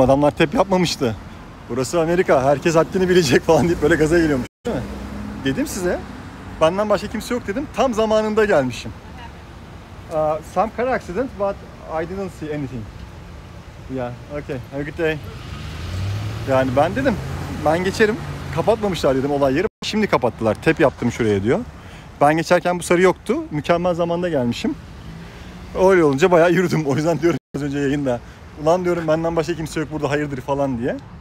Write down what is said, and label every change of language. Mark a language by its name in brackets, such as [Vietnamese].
[Turkish] Adamlar tep yapmamıştı. Burası Amerika. Herkes haddini bilecek falan deyip böyle gaza geliyormuş. Değil mi? Dedim size. Benden başka kimse yok dedim. Tam zamanında gelmişim. [English] Some car accident but I didn't see anything. Yeah. Okay. Have a good day. [Turkish] Yani ben dedim. Ben geçerim. Kapatmamışlar dedim olay yeri. Şimdi kapattılar. Tep yaptım şuraya diyor. Ben geçerken bu sarı yoktu. Mükemmel zamanda gelmişim. Öyle olunca bayağı yürüdüm. O yüzden diyorum az önce yayında. Ulan diyorum benden başka kimse yok burada hayırdır falan diye.